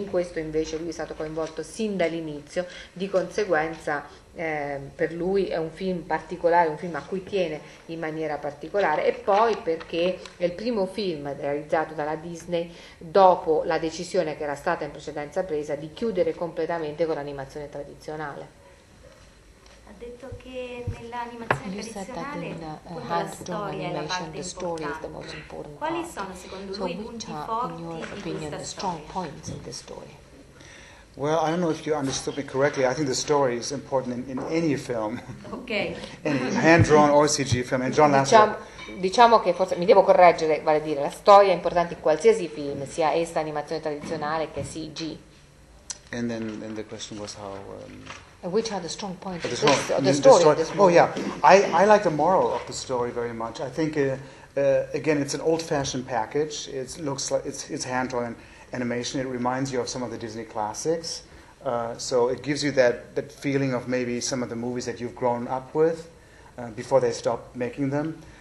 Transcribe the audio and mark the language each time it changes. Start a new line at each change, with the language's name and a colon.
Italian: In questo invece lui è stato coinvolto sin dall'inizio, di conseguenza per lui è un film particolare, un film a cui tiene in maniera particolare, e poi perché è il primo film realizzato dalla Disney dopo la decisione che era stata in precedenza presa di chiudere completamente con l'animazione tradizionale. Ha detto che nell'animazione tradizionale la storia è la parte importante. Quali sono secondo lui i punti forti di questa storia?
English: Well, I don't know if you understood me correctly. I think the story is important in any film. Okay. Any hand-drawn or CG film. And John Lasseter.
Italian: Diciamo che forse mi devo correggere, vale a dire, la storia è importante in qualsiasi film, sia essa animazione tradizionale che CG.
English: And then and the question was how Which are the strong points of the story? Oh yeah. I like the moral of the story very much. I think again it's an old-fashioned package. It looks like it's hand-drawn animation. It reminds you of some of the Disney classics, so it gives you that feeling of maybe some of the movies that you've grown up with before they stopped making them.